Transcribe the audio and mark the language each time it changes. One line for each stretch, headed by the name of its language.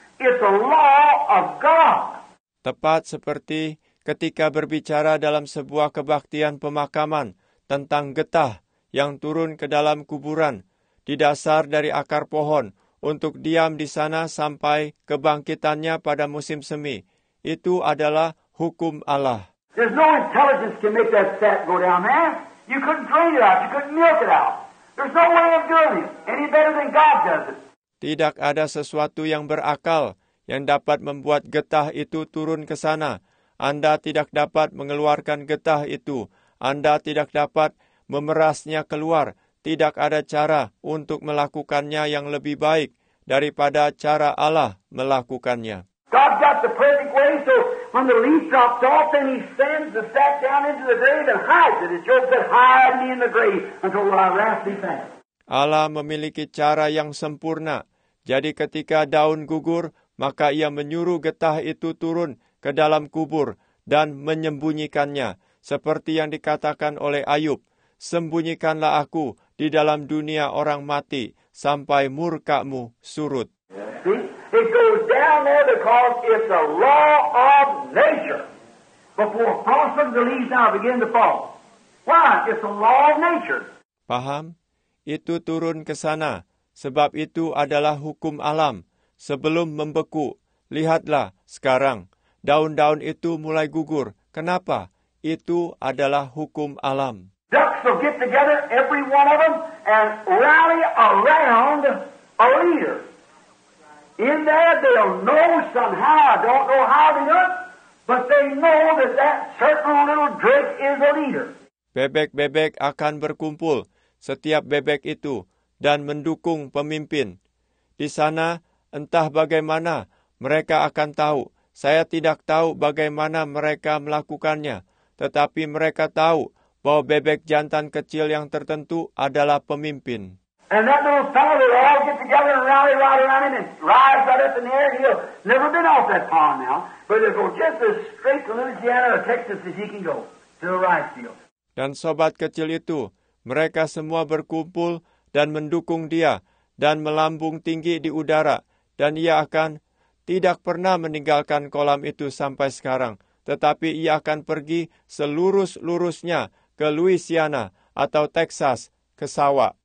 English: It's a law of God.
Indonesian: Tepat seperti ketika berbicara dalam sebuah kebaktian pemakaman tentang getah yang turun ke dalam kuburan di dasar dari akar pohon, untuk diam di sana sampai kebangkitannya pada musim semi. Itu adalah hukum Allah.
English: There's no intelligence can make that sap go down, man. You couldn't drain it out. You couldn't milk it out. There's no way of doing it any better than God does it.
Indonesian: Tidak ada sesuatu yang berakal yang dapat membuat getah itu turun ke sana. Anda tidak dapat mengeluarkan getah itu. Anda tidak dapat memerasnya keluar. Tidak ada cara untuk melakukannya yang lebih baik daripada cara Allah melakukannya.
English: God got the perfect way, so when the leaf drops off, then He sends the sap down into the grave and hides it. It's just that hide me in the grave until I last be found.
Indonesian: Allah memiliki cara yang sempurna. Jadi ketika daun gugur, maka Ia menyuruh getah itu turun ke dalam kubur dan menyembunyikannya, seperti yang dikatakan oleh Ayub. sembunyikanlah aku di dalam dunia orang mati sampai murka-Mu surut.
English: See, it goes down there because it's a law of nature. Before blossoms, the leaves now begin to fall. Why? It's a law of nature.
Indonesian: Paham? Itu turun ke sana. Sebab itu adalah hukum alam. Sebelum membeku, lihatlah sekarang. Daun-daun itu mulai gugur. Kenapa? Itu adalah hukum alam.
English: Ducks will get together, every one of them, and rally around a leader. In there, they'll know somehow, I don't know how they do it, but they know that that certain little drake is a leader.
Indonesian: Bebek-bebek akan berkumpul, setiap bebek itu, dan mendukung pemimpin. Di sana, entah bagaimana, mereka akan tahu. Saya tidak tahu bagaimana mereka melakukannya. Tetapi mereka tahu bahwa bebek jantan kecil yang tertentu adalah pemimpin.
English: And that little fellow, they all get together and rally right around him and rise right up in the air. He'll never been off that pond now, but he'll go just as straight to Louisiana or Texas as he can go, to the rice field.
Indonesian: Dan sobat kecil itu, mereka semua berkumpul dan mendukung dia, dan melambung tinggi di udara, dan ia akan tidak pernah meninggalkan kolam itu sampai sekarang, tetapi ia akan pergi selurus-lurusnya ke Louisiana atau Texas, ke sawah.